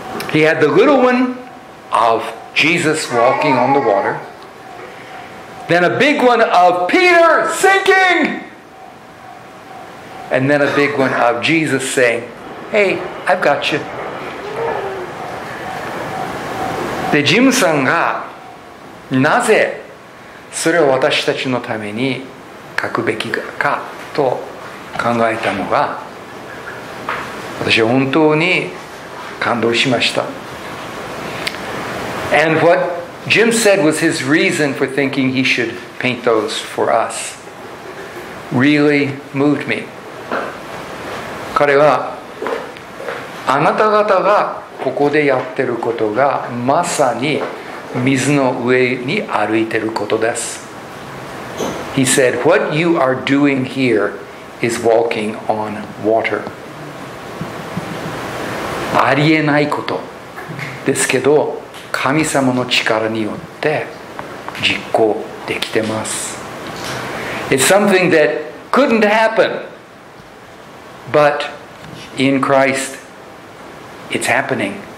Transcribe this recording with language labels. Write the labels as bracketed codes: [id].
[en] He had the little one of Jesus walking on the water, then a big one of Peter sinking, and then a big one of Jesus saying, Hey, I've got you. [ja] で、ジムさんがなぜそれを私たちのために書くべきかと考えたのが、私は本当に感動しました。 [en] And what Jim said was his reason for thinking he should paint those for us really moved me. [ja] 彼はあなた方がここでやってることがまさに水の上に歩いてることです。 [en] He said, "What you are doing here is walking on water." [ja] ありえないことですけど、神様の力によって実行できてます。 [en] It's something that couldn't happen, but in Christ, it's happening.